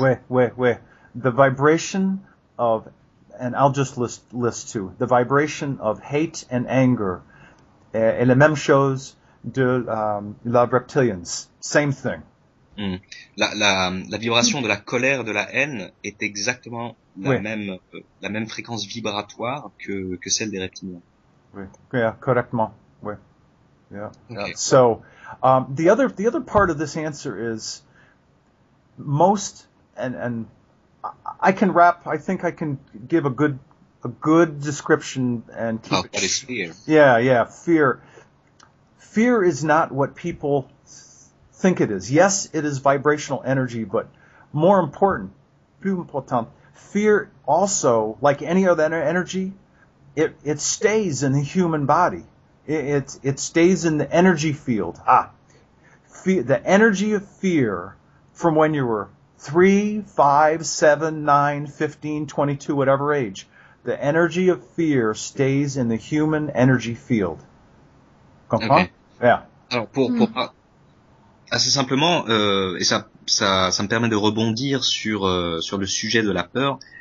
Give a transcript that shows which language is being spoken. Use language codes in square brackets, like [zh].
[fr] Ouais. [en] The vibration of, and I'll just list two, the vibration of hate and anger, [fr] et la même chose de la reptilians, [en] same thing. [fr] La vibration de la colère, de la haine est exactement la même fréquence vibratoire que celle des reptiliens. Oui, [en] yeah, [fr] correctement. Oui. [en] Yeah. Okay. So, the other part of this answer is most and I can wrap. I think I can give a good description and keep. Oh, that is fear. Yeah. Fear. Fear is not what people think it is. Yes, it is vibrational energy, but more important, [fr] plus important, [en] fear also, like any other energy, it stays in the human body. It stays in the energy field. Ah, fear, the energy of fear from when you were 3, 5, 7, 9, 15, 22, whatever age, the energy of fear stays in the human energy field. [fr] Comprends? [en] Okay. Yeah. [fr] Alors pour assez simplement, et ça me permet de rebondir sur le sujet de la peur.